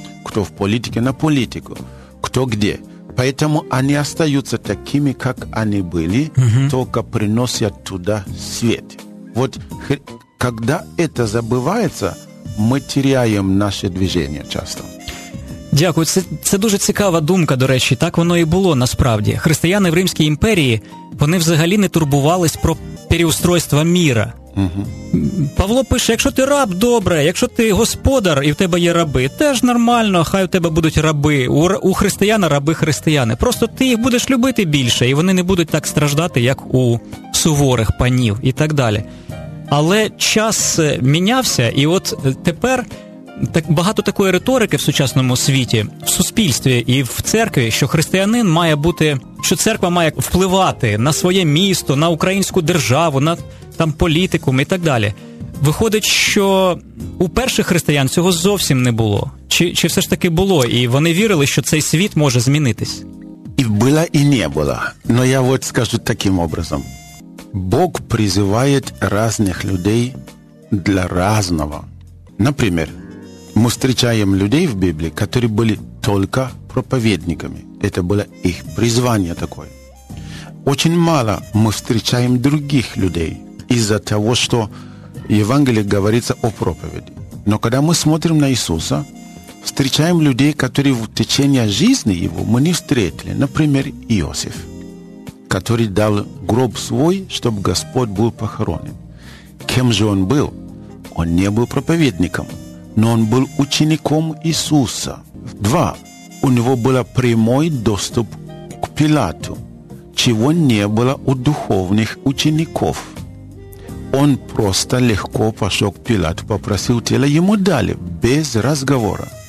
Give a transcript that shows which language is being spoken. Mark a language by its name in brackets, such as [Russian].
[Russian] Кто в политике, на политику. Кто где. Поэтому они остаются такими, как они были, только приносят туда свет. Вот когда это забывается, мы теряем наше движение часто. [Ukrainian] Дякую. Це дуже цікава думка, до речі. Так воно і було насправді. Християни в Римській імперії, вони взагалі не турбувались про переустройство міра. Угу. Павло пише, якщо ти раб, добре, якщо ти господар і в тебе є раби, теж нормально, хай у тебе будуть раби. У християн раби християни. Просто ти їх будеш любити більше, і вони не будуть так страждати, як у суворих панів і так далі. Але час мінявся, і от тепер так багато такої риторики в сучасному світі, в суспільстві і в церкві, що християнин має бути, що церква має впливати на своє місто, на українську державу, на там політику і так далі. Виходить, що у перших християн цього зовсім не було. Чи все ж таки було, і вони вірили, що цей світ може змінитись? І було, і не було. Но я от скажу таким образом. Бог призиває різних людей для різного. Наприклад, ми зустрічаємо людей в Біблії, які були тільки проповідниками. Це було їх призвання таке. Дуже мало ми зустрічаємо інших людей із-за того, що в Євангелії говориться о проповіді. Но коли ми дивимося на Ісуса, зустрічаємо людей, які [Russian] в течение [Ukrainian] життя Його ми не зустріли. Наприклад, Йосиф, який дав гроб свій, щоб Господь був похоронен. Ким же він був? Він не був проповідником. [Russian] Но он был учеником Иисуса. Два. У него был прямой доступ к Пилату, чего не было у духовных учеников. Он просто легко пошел к Пилату, попросил тело, ему дали, без разговора.